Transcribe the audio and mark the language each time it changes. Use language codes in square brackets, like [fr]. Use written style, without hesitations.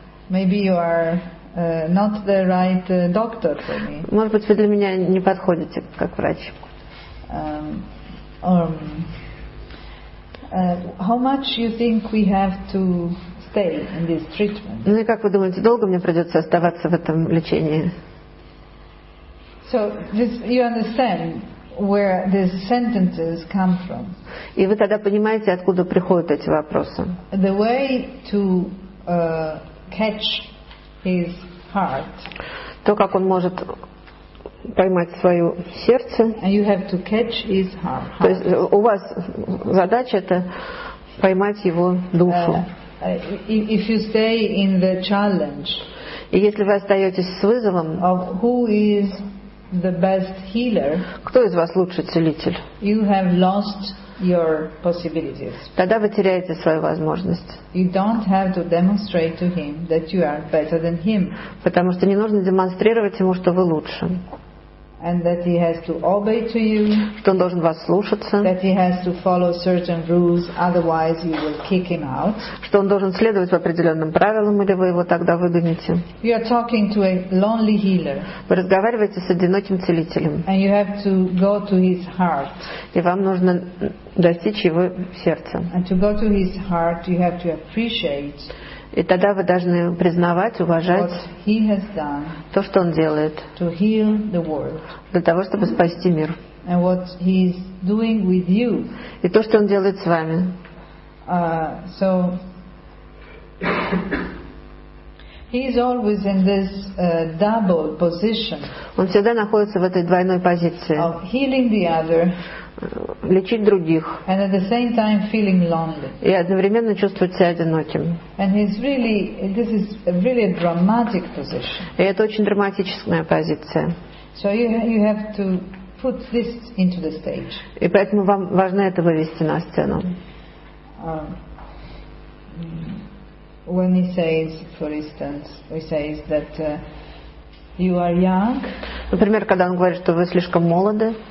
[en] Maybe you are not the right doctor for me. [ru] Может быть, вы для меня не подходите как врач. [en] How much you think we have to stay in this treatment? [ru] Ну и как вы думаете, долго мне придется оставаться в этом лечении? [en] So this, you understand where these sentences come from. [ru] И вы тогда понимаете, откуда приходят эти вопросы. [en] The way to catch his heart. [ru] То, как он может поймать свое сердце. [en] And you have to catch his heart. [ru] То есть у вас задача это поймать его душу. [en] If you stay in the challenge. [ru] И если вы остаетесь с вызовом. [en] Of who is the best healer. [ru] Кто из вас лучший целитель? [en] You have lost your possibilities. [ru] Тогда вы теряете свою возможность. [en] You don't have to demonstrate to him that you are better than him. [ru] Потому что не нужно демонстрировать ему, что вы лучше. [en] And that he has to obey to you. [ru] Что он должен вас слушаться. [en] That he has to follow certain rules, otherwise you will kick him out. [ru] Что он должен следовать определенным правилам, или вы его тогда выгоните. [en] You are talking to a lonely healer. [ru] Вы разговариваете с одиноким целителем. [en] And you have to go to his heart. [ru] И вам нужно достичь его сердца. [en] And to go to his heart, you have to appreciate. [ru] И тогда вы должны признавать, уважать то, что он делает для того, чтобы спасти мир. И то, что он делает с вами. [en] So, He is always in this double position. [ru] Он всегда находится в этой двойной позиции. [en] Of healing the other. [ru] Лечить других. [en] And at the same time feeling lonely. [ru] И одновременно чувствовать себя одиноким. [en] And he's really, this is really a dramatic position. [ru] И это очень драматическая позиция. [en] So you have to put this into the stage. [ru] И поэтому вам важно это вывести на сцену. [en] When he says, for instance, he says that you are young. [ru] Например, когда он говорит, что вы слишком молоды.